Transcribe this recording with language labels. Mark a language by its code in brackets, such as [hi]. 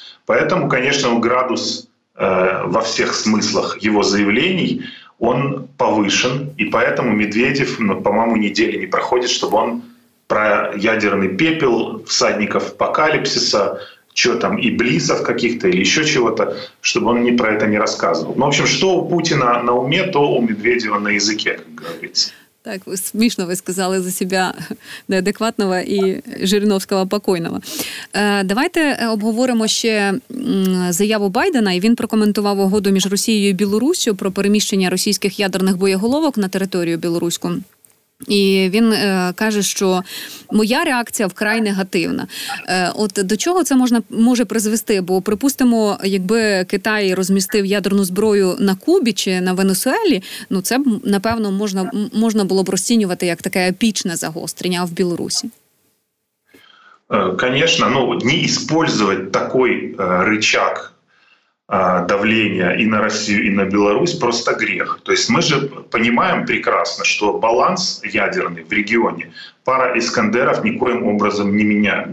[ru] Поэтому, конечно, градус во всех смыслах его заявлений, он повышен, и поэтому Медведев, ну, по-моему, недели не проходит, чтобы он про ядерный пепел всадников апокалипсиса, что там, и близов каких-то, или еще чего-то, чтобы он про это не рассказывал. Ну, в общем, что у Путина на уме, то у Медведева на языке, как говорится. [uk] Так, смішно ви сказали за себе неадекватного і Жириновського покійного. Давайте обговоримо ще заяву Байдена. І він прокоментував угоду між Росією і Білоруссю про переміщення російських ядерних боєголовок на територію білоруську. І він каже, що моя реакція вкрай негативна. От до чого це може призвести? Бо, припустимо, якби Китай розмістив ядерну зброю на Кубі чи на Венесуелі, ну це б, напевно, можна було б розцінювати як таке епічне загострення в Білорусі. Звісно, ну, не використовувати такий ричаг [ru] давления и на Россию, и на Беларусь просто грех. То есть мы же понимаем прекрасно, что баланс ядерный в регионе пара Искандеров никоим образом не меняет.